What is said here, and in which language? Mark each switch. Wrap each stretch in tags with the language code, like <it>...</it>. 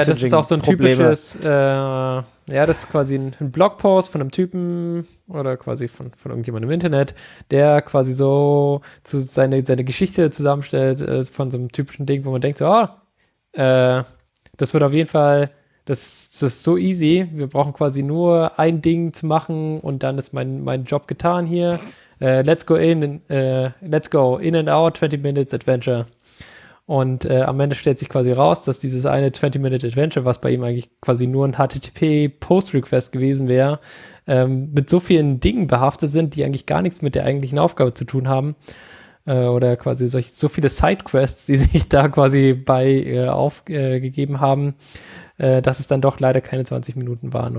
<de>Ja, das ist auch so ein typisches, das ist quasi ein Blogpost von einem Typen oder quasi von irgendjemandem im Internet, der quasi so zu seine Geschichte zusammenstellt von so einem typischen Ding, wo man denkt so, das wird auf jeden Fall, das ist so easy, wir brauchen quasi nur ein Ding zu machen und dann ist mein Job getan hier.</de> <en>Let's go in and out, 20 minutes adventure.</en> <de>Und am Ende stellt sich quasi raus, dass dieses eine 20-Minute-Adventure, was bei ihm eigentlich quasi nur ein HTTP-Post-Request gewesen wäre, mit so vielen Dingen behaftet sind, die eigentlich gar nichts mit der eigentlichen Aufgabe zu tun haben. Oder quasi solche, so viele Side-Quests, die sich da quasi bei aufgegeben haben, dass es dann doch leider keine 20 Minuten waren.</de>